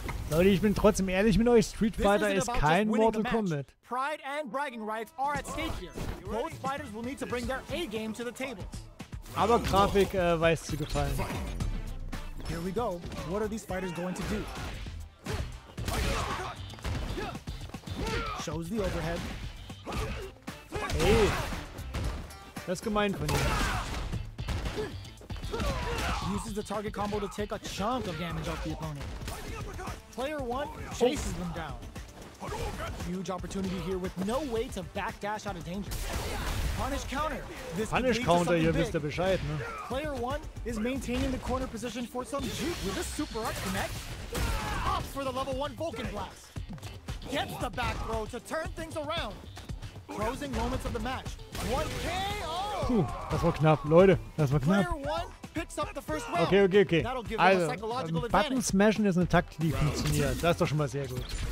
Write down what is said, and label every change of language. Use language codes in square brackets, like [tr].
[de] Leute, ich bin trotzdem ehrlich mit euch, Street Fighter ist kein Mortal Kombat. [en] Pride and bragging rights are at stake here. Both fighters will need to bring their A-game to the table. [de] Aber Grafik weiß zu gefallen. [en] Here we go. What are these fighters going to do? Shows the overhead. [de] Hey. Das ist gemein von dir. [en] Uses the target combo to take a chunk of damage off the opponent. Player 1 chases them down. Huge opportunity here with no way to backdash out of danger. Punish counter. This Punish counter, [de] ihr wisst ja Bescheid, ne? [en] Player 1 is maintaining the corner position for some juke with a super up connect. Opts for the level 1 Vulcan Blast. Gets the back throw to turn things around. Closing moments of the match. 1 KO! [de] Puh, das war knapp, Leute. Das war knapp. [en] Player 1 Okay, okay, okay. [de] Also, Button smashen ist eine Taktik, die funktioniert. Das ist doch schon mal sehr gut.